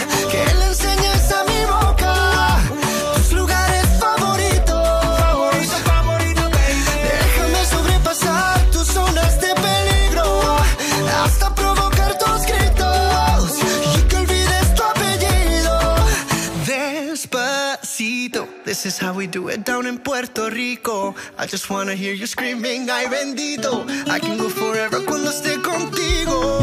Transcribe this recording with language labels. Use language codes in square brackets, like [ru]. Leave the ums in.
[es] Que le enseñes a mi boca tus lugares favoritos. Favoritos, favoritos, Déjame sobrepasar tus zonas de peligro. Hasta provocar tus gritos. Y que olvides tu apellido. Despacito. [en] This is how we do it down in Puerto Rico. I just wanna hear you screaming, ay bendito. I can go forever [es] cuando esté contigo.